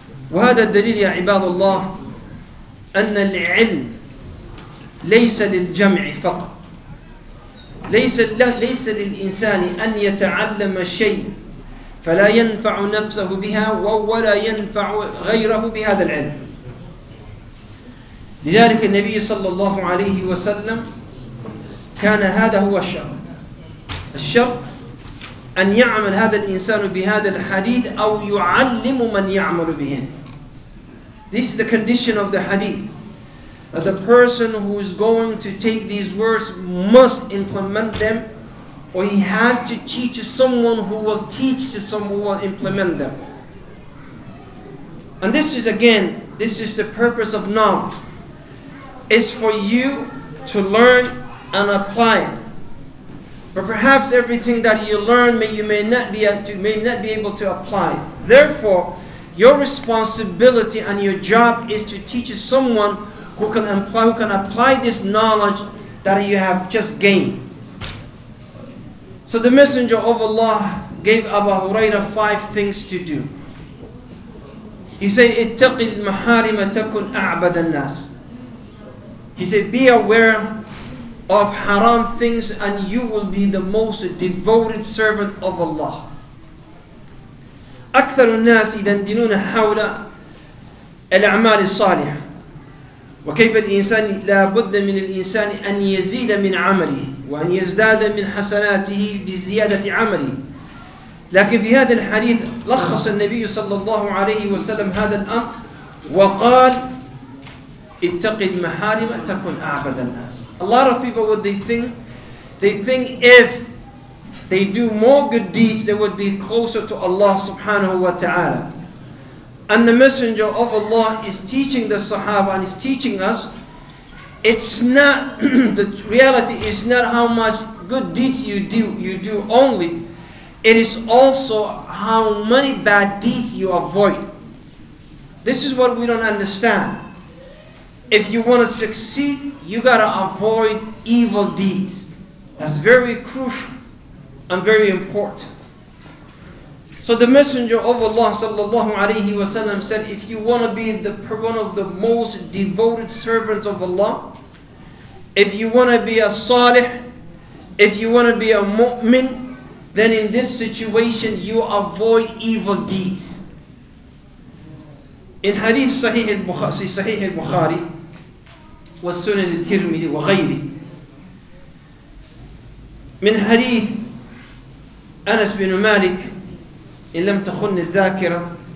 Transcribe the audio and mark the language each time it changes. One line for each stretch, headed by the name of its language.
Arabic: وهذا الدليل يا عباد الله أن العلم ليس للجمع فقط، ليس للإنسان أن يتعلم شيء فلا ينفع نفسه بها ولا ينفع غيره بهذا العلم. لذلك النبي صلى الله عليه وسلم كان هذا هو الشرط، الشرط أن يعمل هذا الإنسان بهذا الحديث أو يعلم من يعمل به.
English: This is the condition of the hadith. The person who is going to take these words must implement them, or he has to teach someone who will teach to someone who will implement them. And this is again, this is the purpose of knowledge. It's for you to learn and apply. But perhaps everything that you learn, you may not be able to apply. Therefore, your responsibility and your job is to teach someone who can apply this knowledge that you have just gained. So the Messenger of Allah gave Abu Huraira five things to do. He said,
Arabic: اتَّقِ الْمَحَارِمَ تَكُنْ أَعْبَدَ النَّاسِ.
English: He said, be aware of haram things and you will be the most devoted servant of Allah.
Arabic: أكثر الناس يدندنون حول الأعمال الصالحة وكيف الإنسان لا بد من الإنسان أن يزيد من عمله وأن يزداد من حسناته بزيادة عمله. لكن في هذا الحديث لخص النبي صلى الله عليه وسلم هذا الأمر وقال اتق المحارم تكن أعبد الناس.
English: A lot of people, what they think if they do more good deeds they would be closer to Allah subhanahu wa ta'ala. And the Messenger of Allah is teaching the Sahaba and is teaching us, it's not, the reality is not how much good deeds you do only, it is also how many bad deeds you avoid. This is what we don't understand. If you want to succeed, you gotta avoid evil deeds. That's very crucial and very important. So the Messenger of Allah sallallahu alayhi wa sallam said, if you want to be one of the most devoted servants of Allah, if you want to be a salih, if you want to be a mu'min, then in this situation you avoid evil deeds. In hadith
Arabic: Sahih al-Bukhari, wa sunan al-Tirmidhi wa ghayri, min hadith Anas bin Malik, إن لم تخن الذاكرة